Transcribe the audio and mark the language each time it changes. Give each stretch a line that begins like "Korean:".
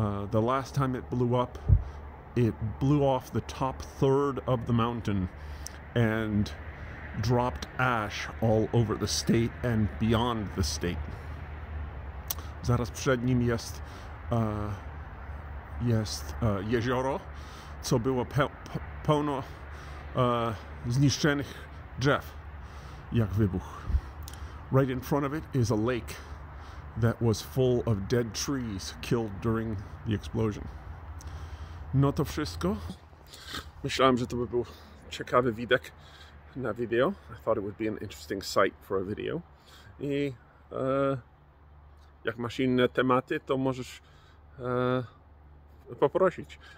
English: The last time it blew up, it blew off the top third of the mountain and dropped ash all over the state and beyond the state.
Polish: Zaraz przed nim jest jezioro, co było pełno zniszczonych drzew, jak wybuch.
English: Right in front of it is a lake that was full of dead trees killed during the explosion.
Polish: No to wszystko. Myślałem, że to by był ciekawy widok na wideo.
English: I thought it would be an interesting sight for a video.
Polish: I jak masz inne tematy, to możesz poprosić.